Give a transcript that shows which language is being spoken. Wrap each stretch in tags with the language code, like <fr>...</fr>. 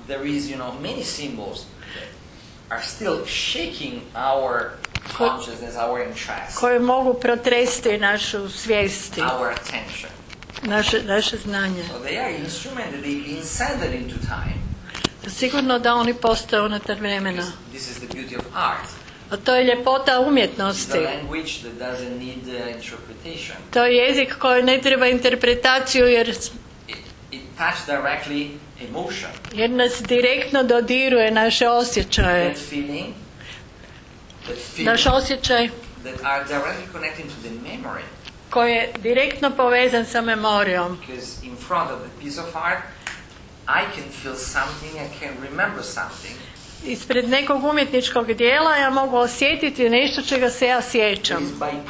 <en>There is, you know, many symbols are still shaking our consciousness, our interest.</en> <hr>Koje mogu protresti našu svijesti.</hr> <en>Our attention.</en> <hr>Naše znanje.</hr> <en>So they are instruments that have been sent into time.</en> <hr>Sigurno da oni postoje unutar vremena.</hr> <en>This is the beauty of art.</en> <hr>A to je ljepota umjetnosti.</hr> <en>The language that doesn't need the interpretation.</en> <hr>To je jezik koji ne treba interpretaciju jer</hr> <en>it touch directly emotion.</en> <hr>Jer nas direktno dodiruje naše osjećaje.</hr> <en>That feeling,</en> <hr>naš osjećaj</hr> <en>that are directly connecting to the memory.</en> <hr>Koji je direktno povezan sa memorijom.</hr> <en>Because in front of the piece of art I can feel something, I can remember something.</en> <hr>Ispred nekog umjetničkog djela ja mogu osjetiti nešto čega se ja sjećam.</hr>